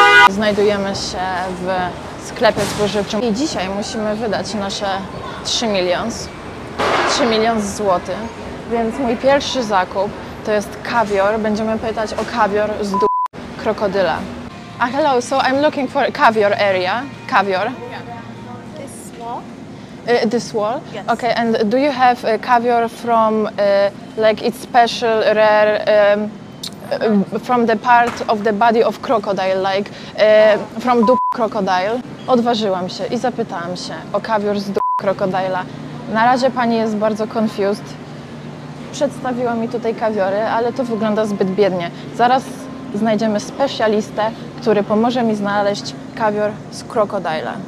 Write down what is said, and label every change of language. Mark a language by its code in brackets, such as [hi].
[pl] Znajdujemy się w sklepie spożywczym i dzisiaj musimy wydać nasze 3 miliony złotych. Więc mój pierwszy zakup to jest kawior. Będziemy pytać o kawior z dupy krokodyla. [en] Ah, hello, so I'm looking for a kawior area. [pl] Kawior. [en] This wall? This wall? Yes. Okay, and do you have kawior from like it's special, rare, from the part of the body of crocodile, like from dup crocodile. [pl] Odważyłam się i zapytałam się o kawior z dup krokodyla. Na razie pani jest bardzo confused. Przedstawiła mi tutaj kawiory, ale to wygląda zbyt biednie. Zaraz znajdziemy specjalistę, który pomoże mi znaleźć kawior z krokodyla.